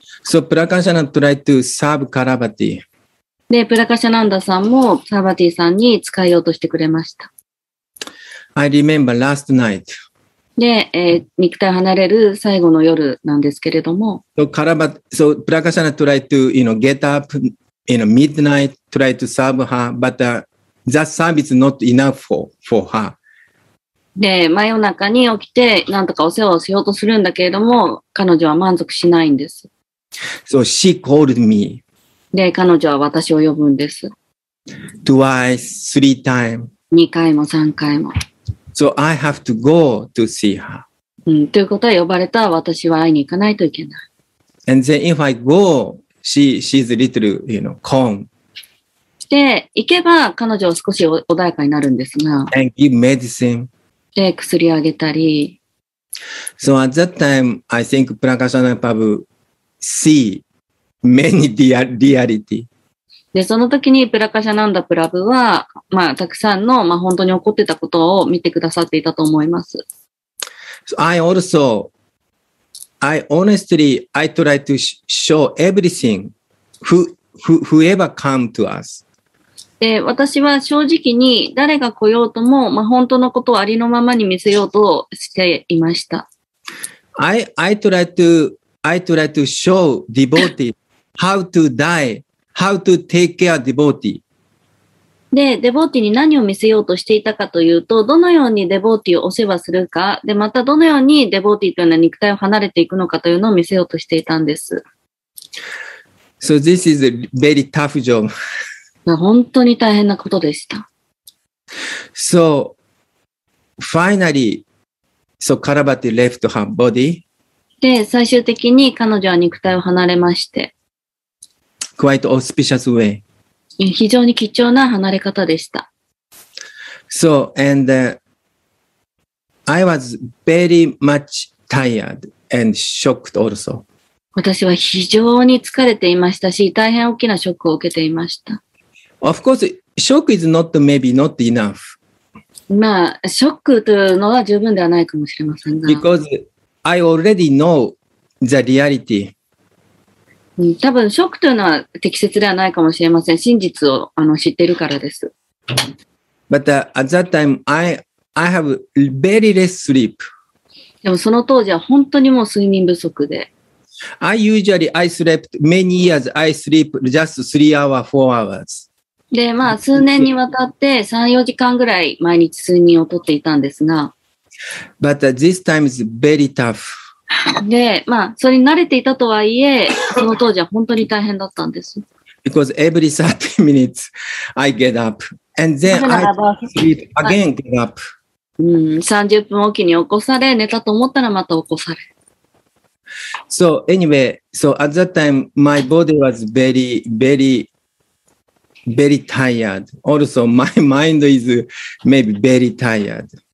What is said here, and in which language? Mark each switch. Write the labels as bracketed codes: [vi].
[en] So, プラカシャナンダ tried to serve Karabati. [ja] で、プラカシャナンダさんもサーバティさんに使いようとしてくれました。 [en] I remember last night. [ja] で、肉体離れる最後の夜なんですけれども。 [en] So, プラカシャナンダ tried to, you know, get up. In a midnight, try to serve her, but that service not enough for her. [ja] で、真夜中に起きて、なんとかお世話をしようとするんだけれども、彼女は満足しないんです。 [en] So she called me. [ja] で、彼女は私を呼ぶんです。 [en] Twice, three times. [ja] 2回も3回も。 [en] So I have to go to see her. [ja] うん、ということは呼ばれた私は会いに行かないといけない。 [en] And then if I go,She's a little, you know, calm. [ja] で、行けば彼女は少し穏やかになるんですが。 [en] And give medicine. [ja] で、薬をあげたり。 [en] So at that time, I think Prakashananda Prabhu see many reality. [ja] で、その時にPrakashananda Prabhuは、まあ、たくさんの、まあ、本当に起こってたことを見てくださっていたと思います。 [en] So、I also,I honestly, I try to show everything whoever come to us. [ja] で、私は正直に誰が来ようとも、まあ、本当のことをありのままに見せようとしていました。 [en] I try to show devotee how to die, how to take care of devotee. [ja] で、デボーティに何を見せようとしていたかというと、どのようにデボーティをお世話するか、で、またどのようにデボーティというような肉体を離れていくのかというのを見せようとしていたんです。 [en] So this is a very tough job. [ja] 本当に大変なことでした。 [en] So, finally, so Karabati left her body. [ja] で、最終的に彼女は肉体を離れまして。 [en] Quite auspicious way. [ja] 非常に貴重な離れ方でした。 [en] So, and, I was very much tired and shocked also. [ja] 私は非常に疲れていましたし、大変大きなショックを受けていました。 [en] Of course, shock is not maybe not enough. [ja] まあ、ショックというのは十分ではないかもしれませんが。 [en] Because I already know the reality. [ja] 多分ショックというのは適切ではないかもしれません。真実を知っているからです。 [en] But at that time, I have very less sleep. [ja] でもその当時は本当にもう睡眠不足で。 [en] I usually I slept many years I sleep just 3 hours, 4 hours. [ja] でまあ数年にわたって3-4時間ぐらい毎日睡眠をとっていたんですが。 [en] But this time is very tough. [ja] で、まあ、それに慣れていたとはいえ、その当時は本当に大変だったんです。 [en] Because every 30 minutes I get up and then I sleep again get up. [ja] 30分おきに起こされ、寝たと思ったらまた起こされ。 [en] So anyway, so at that time my body was very, very, very tired. Also my mind is maybe very tired.